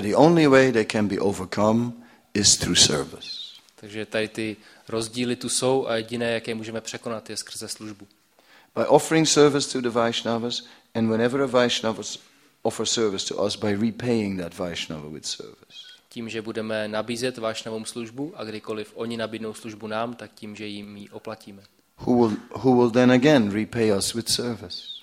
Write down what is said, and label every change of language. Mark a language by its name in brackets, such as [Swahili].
[English] The only way they can be overcome is through service. [Czech] Takže tady ty rozdíly tu jsou a jediné, jak je můžeme překonat, je skrze službu. [English] By offering service to the Vaishnavas, and whenever a Vaishnava offers service to us, by repaying that Vaishnava with service. [Czech] Tím, že budeme nabízet Vaishnavům službu a kdykoliv oni nabídnou službu nám, tak tím, že jim ji oplatíme. [English] Who will then again repay us with service?